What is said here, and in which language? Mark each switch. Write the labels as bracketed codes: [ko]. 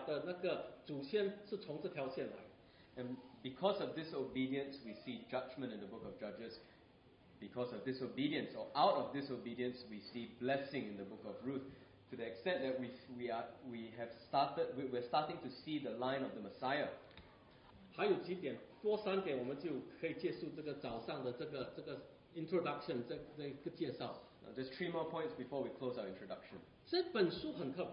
[zh] 但是在路德记呢，因为顺服神，却导致神的祝福。神是我们看到，弥赛亚的那个祖先是从这条线来。 [en] And because of disobedience, we see judgment in the book of Judges. Because of disobedience, or out of disobedience, we see blessing in the book of Ruth. To the extent that we're starting to see the line of the Messiah. [zh] 还有几点，多三点，我们就可以结束这个早上的这个。 [en] Introduction， [zh] 这个介绍。 [en] There's three more points before we close our introduction.